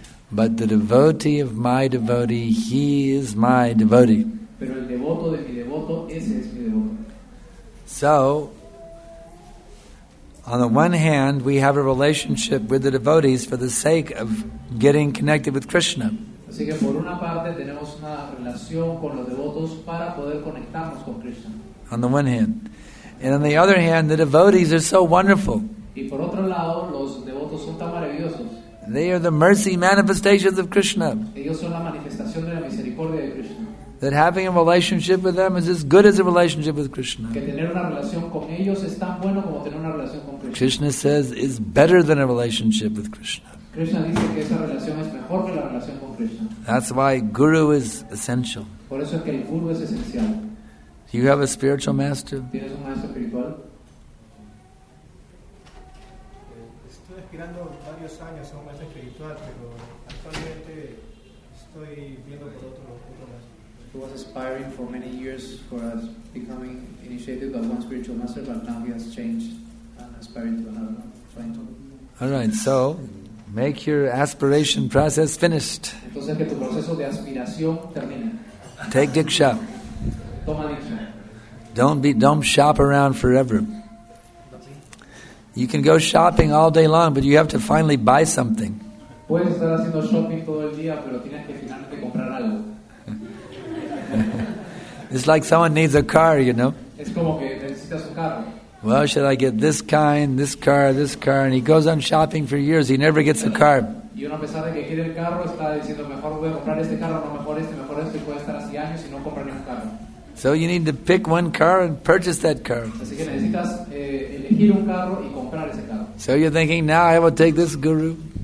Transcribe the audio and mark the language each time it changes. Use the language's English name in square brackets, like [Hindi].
[English] But the devotee of my devotee, he is my devotee. [Spanish] Pero el devoto de mi devoto, ese es mi devoto. [English] So, on the one hand, we have a relationship with the devotees for the sake of getting connected with Krishna. [Spanish] Así que por una parte tenemos una relación con los devotos para poder conectarnos con Krishna. [English] On the one hand. And on the other hand, the devotees are so wonderful. [Spanish] Y por otro lado, los devotos son tan maravillosos. [English] They are the mercy manifestations of Krishna. [Spanish] Ellos son la manifestación de la misericordia de Krishna. [English] That having a relationship with them is as good as a relationship with Krishna. [Spanish] Que tener una relación con ellos es tan bueno como tener una relación con Krishna. [English] Krishna says is better than a relationship with Krishna. [Spanish] Krishna dice que esa relación es mejor que la relación con Krishna. [English] That's why guru is essential. [Spanish] Por eso es que el guru es esencial. [English] Do you have a spiritual master? [Spanish] ¿Tienes un maestro espiritual? Estoy esperando varios años a un maestro espiritual, pero actualmente estoy viendo por otro maestro. [English] He was aspiring for many years for us becoming initiated by one spiritual master, but now he has changed and aspiring to another one. All right, so make your aspiration process finished. [Spanish] Entonces, que tu proceso de aspiración termine. [English] Take diksha. [Spanish] Toma diksha. [English] Don't shop around forever. You can go shopping all day long, but you have to finally buy something. [Spanish] Puedes estar haciendo shopping todo el día, pero tienes que finalmente comprar algo. [English] It's like someone needs a car, you know. [Spanish] Es como que necesitas un carro. [English] Well, should I get this kind, this car, and he goes on shopping for years, he never gets a car. [Spanish] Y uno, a pesar de que quiere el carro, está diciendo, mejor voy a comprar este carro, no mejor este, y puede estar así años y no comprar ningún carro. [English] So you need to pick one car and purchase that car. [Spanish] Así que necesitas elegir un carro y comprar ese carro. [English] So you're thinking, now I will take this guru.